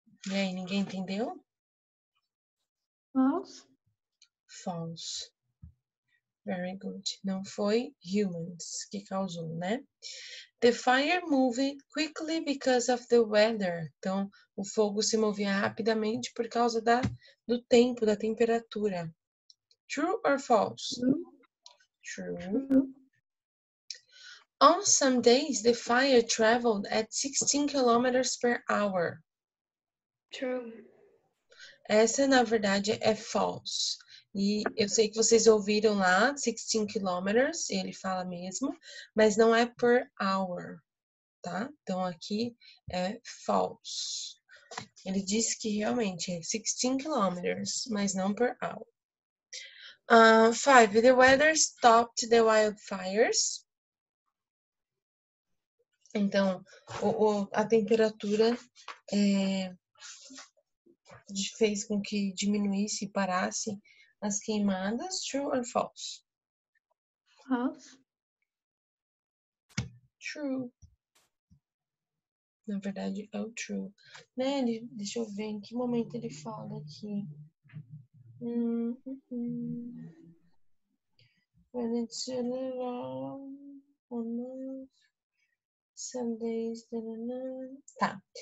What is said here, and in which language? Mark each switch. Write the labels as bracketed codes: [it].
[pt] E aí, ninguém entendeu? [en] False. Very good. [pt] Não foi humans que causou, né? [en] The fire moved quickly because of the weather. [pt] Então, o fogo se movia rapidamente por causa do tempo, da temperatura. [en] True or false? True. On some days, the fire traveled at 16 kilometers per hour. True. [pt] Essa, na verdade, é false. E eu sei que vocês ouviram lá, 16 kilometers, ele fala mesmo, mas não é per hour, tá? Então, aqui é false. Ele disse que realmente é 16 kilometers, mas não per hour. [en] Five, the weather stopped the wildfires. [pt] Então, a temperatura fez com que diminuísse e parasse. As queimadas, [en] true or false? False. True. [pt] Na verdade, é o true. Né? Deixa eu ver em que momento ele fala aqui. [en] When it's a little enough, some days, tá.